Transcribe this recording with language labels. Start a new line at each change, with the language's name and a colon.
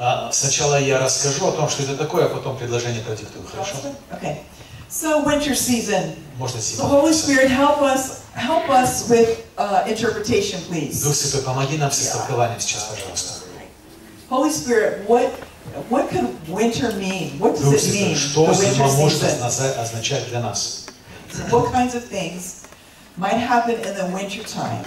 Russian: Сначала я расскажу о том, что это такое, а потом предложение продиктую, хорошо?
English: Okay. So, winter season.
Russian: Можно
English: the Holy Spirit, help us with interpretation, please.
Russian: Дух Святой, помоги нам с истолкованием сейчас, пожалуйста.
English: Holy Spirit, what could winter mean? What does it mean?
Russian: Что зима может означать для нас?
English: What kinds of things might happen in the winter time?